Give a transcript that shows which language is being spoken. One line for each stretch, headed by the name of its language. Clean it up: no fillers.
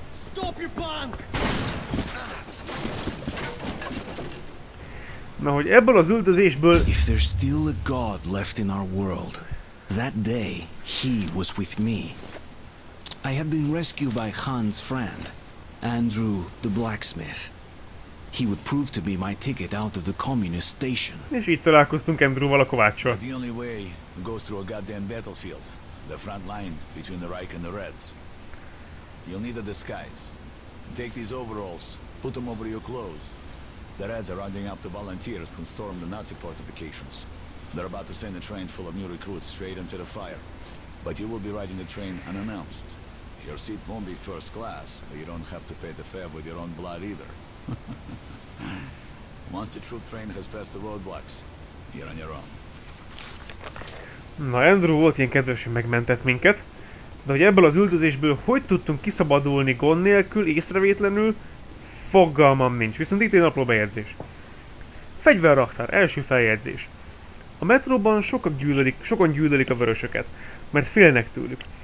English: Stop your punk!
Hungarian: Na, hogy ebből az üldözésből...
English: If there's still a god left in our world, that day, he was with me. I have been rescued by Han's friend, Andrew the Blacksmith. He would prove to be my ticket out of the communist station.
Hungarian: És itt találkoztunk Andrewval a kovácssal.
English: The only way goes through a goddamn battlefield, the front line between the Reich and the Reds. You'll need a disguise. Take these overalls, put them over your clothes. The Reds are rounding up the volunteers to storm the Nazi fortifications. They're about to send a train full of new recruits straight into the fire. But you will be riding the train unannounced. Your seat won't be first class, but you don't have to pay the fare with your own blood either. Once the troop train has passed the roadblocks, you're on your own.
Hungarian: Na, Andrew volt ilyen kedves, hogy megmentett minket. De hogy ebből az üldözésből hogy tudtunk kiszabadulni gond nélkül, észrevétlenül, fogalmam nincs. Viszont itt egy naplóbejegyzés. Fegyverraktár, első feljegyzés. A metróban sokan gyűlölik a vörösöket, mert félnek tőlük.